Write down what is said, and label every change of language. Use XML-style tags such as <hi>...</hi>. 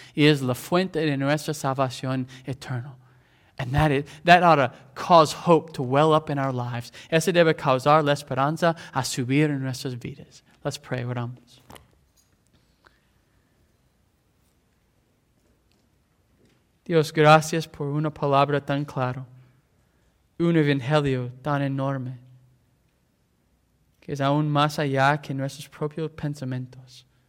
<es>He is la fuente de nuestra salvación eterna.</es> <en>And that ought to cause hope to well up in our lives.</en> <es>Ese debe causar la esperanza a subir en nuestras vidas.</es> <en>Let's pray.</en> <es>Oramos. Dios, gracias por una palabra tan clara, un evangelio tan enorme, que es aún más allá que nuestros propios pensamientos.</es>